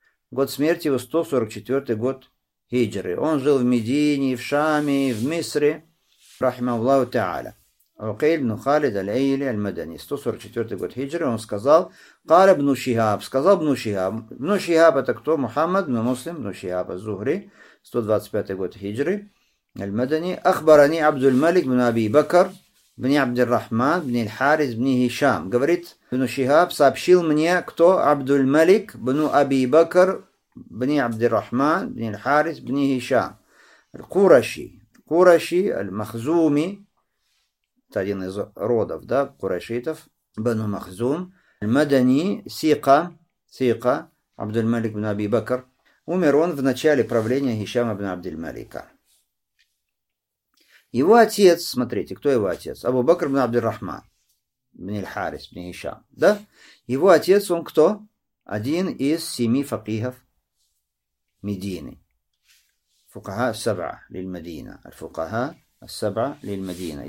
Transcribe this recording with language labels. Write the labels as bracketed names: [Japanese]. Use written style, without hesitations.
[Russian] Год смерти его 144 год хиджры. Он жил в Медине, в Шаме, в Мисре. Рахима Аллаху Та'аля. Укейль ибн Халид аль-Эйли аль-Мадани. 144 год хиджры. Он сказал, Кара ибн Шихаб. Сказал ибн Шихаб. Ибн Шихаб это кто? Мухаммад ибн Муслим ибн Шихаб аз-Зухри. 125 год хиджры. [Arabic] المدني أخبرني عبد الملك بن أبي بكر بن عبد الرحمن بن الحارث بن هشام [Russian] говорит [Arabic] ابن شهاب [Russian] сообщил мне кто [Arabic] عبد الملك بن أبي بكر بن عبد الرحمن بن الحارث بن هشام القرشي المخزومي [Russian] это один из родов, да, курайшитов, [Arabic] بن مخزوم المدني ثقة عبد الملك بن أبي بكر [Russian] умер он в начале правления Хишама ибн [Arabic] عبد الملك. [Russian] Его отец, смотрите, кто его отец? Абу Бакр ибн Абдур-Рахман, ибн Аль-Харис, ибн Хишам, да? Его отец, он кто? Один из семи факих Медины. Фукаха саба лиль-Медина. Аль-Фукаха саба лиль-Медина.